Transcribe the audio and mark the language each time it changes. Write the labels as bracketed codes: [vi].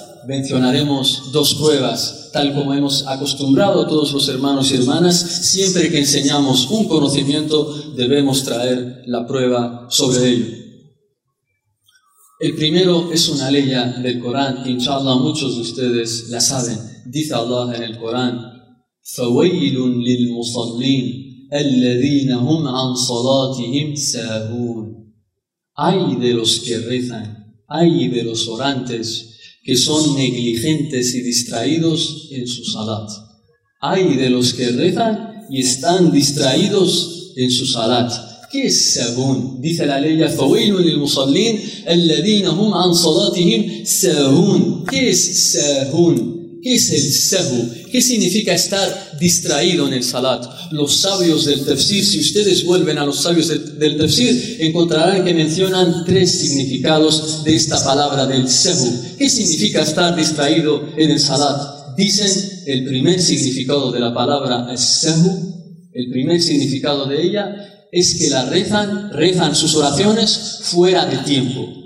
[es] Mencionaremos dos pruebas, tal como hemos acostumbrado a todos los hermanos y hermanas. Siempre que enseñamos un conocimiento, debemos traer la prueba sobre ello. El primero es una ley del Corán, que inshallah muchos de ustedes la saben. Dice Allah en el Corán: [ar] فَوَيْلٌ لِلْمُصَلِّينَ الَّذِينَ هُمْ عَنْ صَلَاتِهِمْ سَاهُونَ. [es] ¡Ay de los que rezan! ¡Ay de los orantes que son negligentes y distraídos en su salat! ¡Ay de los que rezan y están distraídos en su salat! ¿Qué es sahun? Dice la ley: [ar] فَوَيْلٌ لِلْمُصَلِّينَ الَّذِينَ هُمْ عَنْ صَلَاتِهِمْ سَاهُونَ. [es] ¿Qué es sahun? ¿Qué es el sahu? ¿Qué significa estar distraído en el salat? Los sabios del tafsir, si ustedes vuelven a los sabios del tafsir, encontrarán que mencionan tres significados de esta palabra del sahu. ¿Qué significa estar distraído en el salat? Dicen: el primer significado de la palabra es sahu, el primer significado de ella es que la rezan sus oraciones fuera de tiempo.